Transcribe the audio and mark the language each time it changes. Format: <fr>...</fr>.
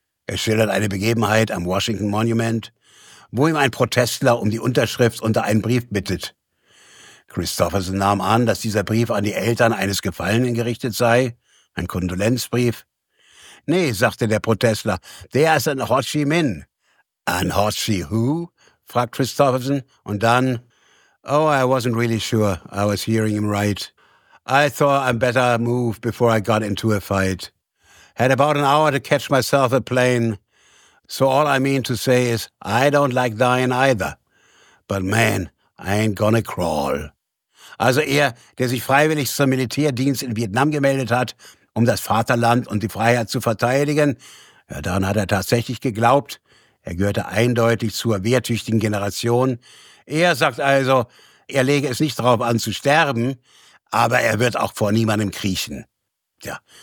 <de>Er schildert eine Begebenheit am Washington Monument, wo ihm ein Protestler um die Unterschrift unter einen Brief bittet. Kristofferson nahm an, dass dieser Brief an die Eltern eines Gefallenen gerichtet sei, ein Kondolenzbrief. Nee, sagte der Protestler, der ist an Ho Chi Minh. An Ho Chi who? Fragt Kristofferson. Und dann,</de> <en>oh, I wasn't really sure I was hearing him right. I thought I'd better move before I got into a fight. Had about an hour to catch myself a plane. So all I mean to say is, I don't like dying either. But man, I ain't gonna crawl.</en> <de>Also er, der sich freiwillig zum Militärdienst in Vietnam gemeldet hat, um das Vaterland und die Freiheit zu verteidigen, ja, daran hat er tatsächlich geglaubt. Er gehörte eindeutig zur wehrtüchtigen Generation. Er sagt also, er lege es nicht darauf an zu sterben, aber er wird auch vor niemandem kriechen. Tja.</de>